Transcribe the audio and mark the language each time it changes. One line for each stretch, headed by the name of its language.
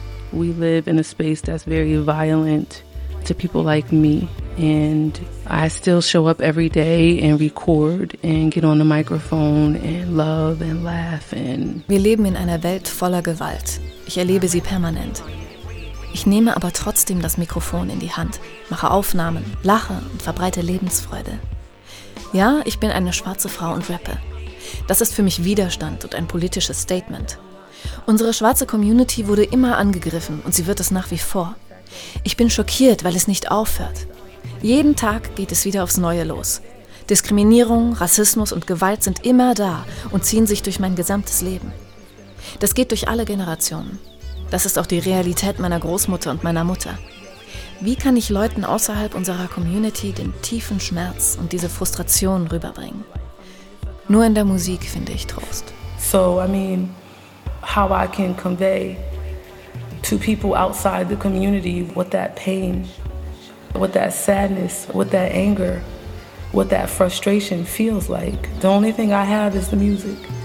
English: we live in a space that's very violent to people like me. And I still show up every day and record and get on the microphone and love and laugh. And
German: wir leben in einer Welt voller Gewalt. Ich erlebe sie permanent. Ich nehme aber trotzdem das Mikrofon in die Hand, mache Aufnahmen, lache und verbreite Lebensfreude. Ja, ich bin eine schwarze Frau und rappe. Das ist für mich Widerstand und ein politisches Statement. Unsere schwarze Community wurde immer angegriffen und sie wird es nach wie vor. Ich bin schockiert, weil es nicht aufhört. Jeden Tag geht es wieder aufs Neue los. Diskriminierung, Rassismus und Gewalt sind immer da und ziehen sich durch mein gesamtes Leben. Das geht durch alle Generationen. Das ist auch die Realität meiner Großmutter und meiner Mutter. Wie kann ich Leuten außerhalb unserer Community den tiefen Schmerz und diese Frustration rüberbringen? Nur in der Musik finde ich Trost.
English: So, I mean, how I can convey to people outside the community what that pain, what that sadness, what that anger, what that frustration feels like. The only thing I have is the music.